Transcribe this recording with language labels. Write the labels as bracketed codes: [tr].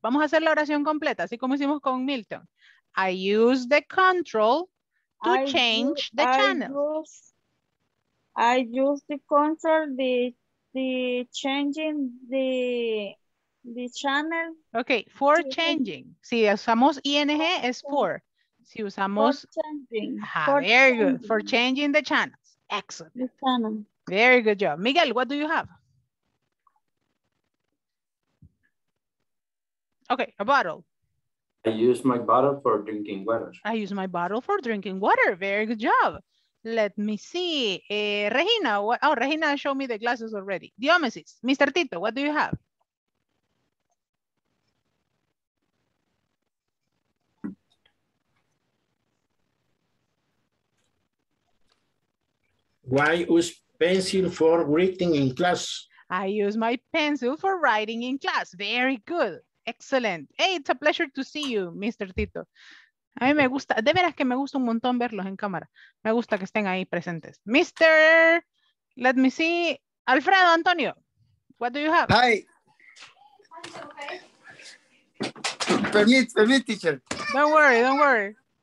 [es] Vamos a hacer la oración completa, así como hicimos con Milton. [en] I use the control to change the channels. I use the control, the changing the channel. Okay, for changing. [es] Si usamos ING es for. Si usamos [en] for changing. Very good. For changing the channels. Excellent. The channel. Very good job. Miguel, what do you have? Okay, a bottle. I use my bottle for drinking water. I use my bottle for drinking water. Very good job. Let me see. Regina, Regina showed me the glasses already. Diomesis, Mr. Tito, what do you have? Hello. Why use pencil for writing in class? I use my pencil for writing in class. Very good. Excellent. Hey, it's a pleasure to see you, Mr. Tito. [es] A mí me gusta, de veras que me gusta un montón verlos en cámara. Me gusta que estén ahí presentes. [en] Mr., let me see. Alfredo Antonio, what do you have? Hi. Permit, teacher. Don't worry.